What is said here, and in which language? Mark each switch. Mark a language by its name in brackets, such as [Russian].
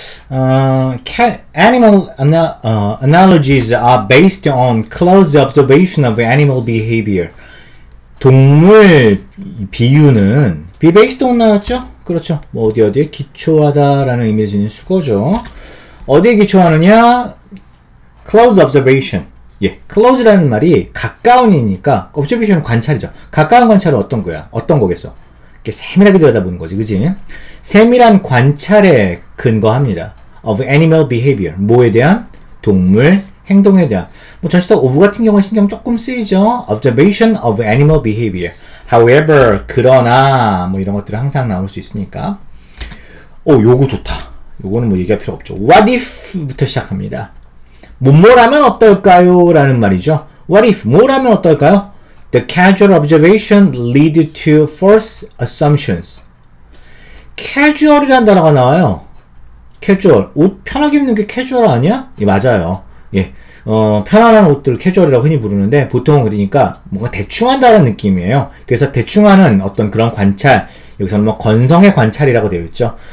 [English] Animal analogies are based on close observation of animal behavior. [Korean] 동물 비유는 be based on 나왔죠? 그렇죠. 뭐 어디 어디에 기초하다라는 의미를 지닌 수거죠. 어디에 기초하느냐? Close observation. 예, close라는 말이 가까운이니까 observation은 관찰이죠. 가까운 관찰은 어떤 거야? 어떤 거겠어? 이렇게 세밀하게 들여다보는 거지, 그지? 세밀한 관찰에 근거합니다. [English] Of animal behavior. [Korean] 뭐에 대한? 동물 행동에 대한. 뭐, 전체적으로 of 같은 경우는 신경 조금 쓰이죠? [English] Observation of animal behavior. [Korean] However, 그러나, 뭐, 이런 것들은 항상 나올 수 있으니까. 오, 요거 좋다. 요거는 뭐, 얘기할 필요 없죠. What if부터 시작합니다. 뭐라면 어떨까요? 라는 말이죠. What if? 뭐라면 어떨까요? [English] The casual observation lead to false assumptions. [Korean] casual이라는 단어가 나와요. casual. 옷 편하게 입는 게 casual 아니야? 예, 맞아요. 예. 편안한 옷들을 casual이라고 흔히 부르는데, 보통은 그러니까 뭔가 대충한다는 느낌이에요. 그래서 대충하는 어떤 그런 관찰, 여기서는 뭐 건성의 관찰이라고 되어 있죠.